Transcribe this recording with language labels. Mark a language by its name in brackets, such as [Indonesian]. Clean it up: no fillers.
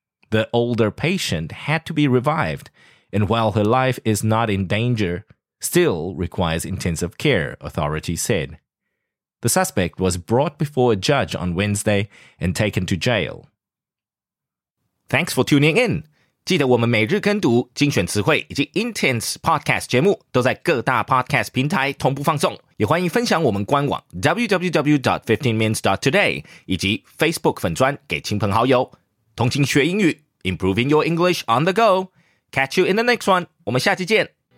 [English] The older patient had to be revived, and while her life is not in danger, still requires intensive care, authorities said. The suspect was brought before a judge on Wednesday and taken to jail. Thanks for tuning in. [Chinese] 记得我们每日跟读精选词汇以及 Intense Podcast 节目都在各大 Podcast 平台同步放送。也欢迎分享我们官网 www.15minutes.today 以及 Facebook 粉专给亲朋好友。同情学英语 [English] Improving your English on the go. Catch you in the next one. [Chinese] 我们下期见。